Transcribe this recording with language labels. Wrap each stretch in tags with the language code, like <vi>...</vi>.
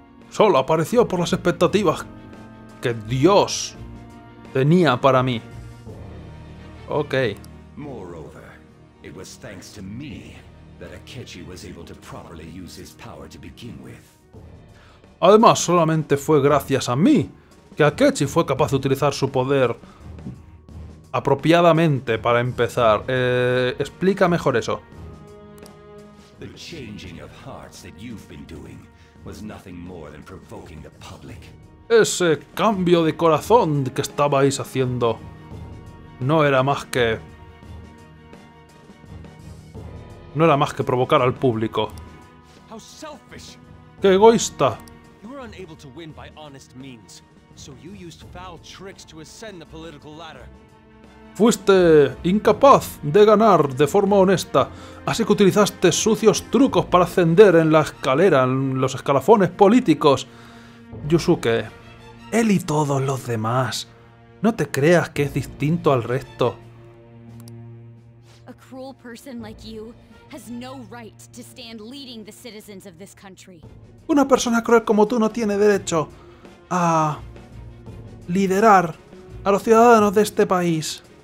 <es>Solo apareció por las expectativas que Dios tenía para mí. Ok.</es> <en>Moreover, it was thanks to me that Akechi was able to properly use his power to begin with.</en> <es>Además, solamente fue gracias a mí que Akechi fue capaz de utilizar su poder apropiadamente para empezar. Explica mejor eso.</es> <en>The changing of hearts that you've been doing. Was nothing more than provoking the public.</en> <es>Ese cambio de corazón que estabais haciendo no era más que... no era más que provocar al público.</es> <en>How selfish.</en> <es>¡Qué egoísta!</es> <en>You were unable to win by honest means, so you used foul tricks to ascend the political ladder.</en> <es>Fuiste incapaz de ganar de forma honesta, así que utilizaste sucios trucos para ascender en la escalera, en los escalafones políticos. Yusuke, él y todos los demás, no te creas que es distinto al resto.</es> <en>A cruel person like you has no right to stand leading the citizens of this country.</en> <es>Una persona cruel como tú no tiene derecho a liderar a los ciudadanos de este país.</es>